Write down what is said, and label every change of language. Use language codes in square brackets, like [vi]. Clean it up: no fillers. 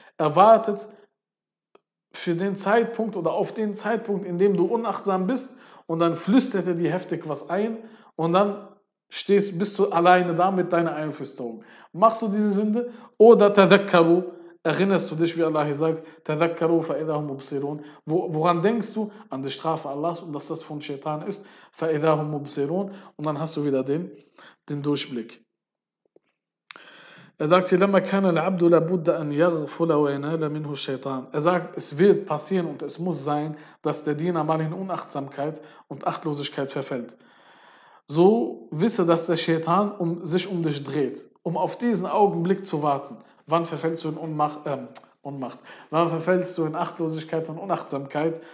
[de] Er wartet für den Zeitpunkt oder auf den Zeitpunkt, in dem du unachtsam bist, und dann flüstert er dir heftig was ein und dann bist du alleine da mit deiner Einflüsterung. Machst du diese Sünde? Oder Tadhakkaru, erinnerst du dich, wie Allah hier sagt, [ar] Tadhakkaru fa'idahum mubsirun. [de] Woran denkst du? An die Strafe Allahs und dass das von Shaitan ist. [ar] Fa'idahum mubsirun. [de] Und dann hast du wieder den Durchblick. Er sagt hier, [ar] لما كان العبد لابد أن يغفل وينال منه الشيطان. [de] Er sagt, es wird passieren und es muss sein, dass der Diener mal in Unachtsamkeit und Achtlosigkeit verfällt. So wisse, dass der Shaitan sich um dich dreht, um auf diesen Augenblick zu warten. Wann verfällst du in Unmacht? Wann verfällst du in Achtlosigkeit und Unachtsamkeit?